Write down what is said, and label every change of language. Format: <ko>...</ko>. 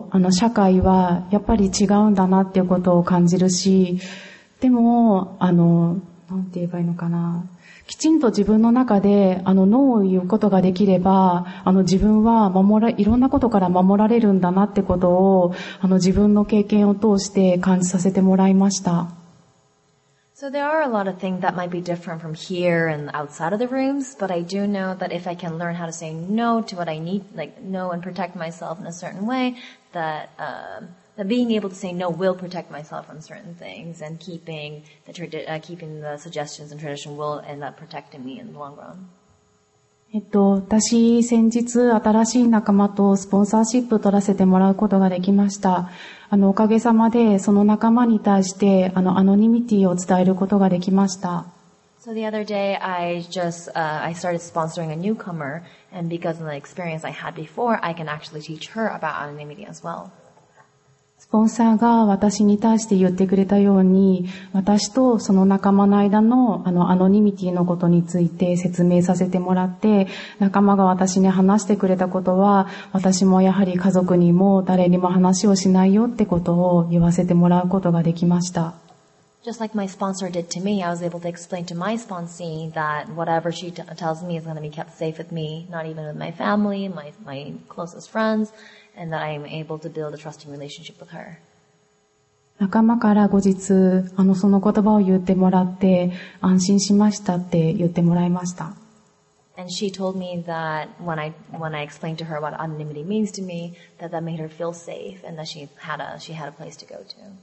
<ja>社会はやっぱり違うんだなっていうことを感じるし、でも、なんて言えばいいのかな。きちんと自分の中でノーを言うことができれば自分は守らいろんなことから守られるんだなってことを自分の経験を通して感じさせてもらいました。</ja> <en>So there are a lot of things that might be different from here and outside of the rooms, but I do know that if I can learn how to say no to what I need, like no and protect myself in a certain way, that, that being able to say no will protect myself from certain things and keeping the suggestions and tradition will end up protecting me in the long run.</en> <ja>私先日新しい仲間とスポンサーシップを取らせてもらうことができました。おかげさまでその仲間に対してアノニミティを伝えることができました。</ja> <en>So the other day I started sponsoring a newcomer, and because of the experience I had before, I can actually teach her about anonymity as well.</en> <ja>スポンサーが私に対して言ってくれたように、私とその仲間の間のアノニミティのことについて説明させてもらって、仲間が私に話してくれたことは、私もやはり家族にも誰にも話をしないよってことを言わせてもらうことができました。</ja> <en>Just like my sponsor did to me, I was able to explain to my sponsee that whatever she tells me is going to be kept safe with me, not even with my family, my closest friends, and that I am able to build a trusting relationship with her.</en> <ja>仲間から後日、その言葉を言ってもらって、安心しましたって言ってもらいました。</ja> <en>And she told me that when I explained to her what anonymity means to me, that made her feel safe and that she had a place to go to.</en>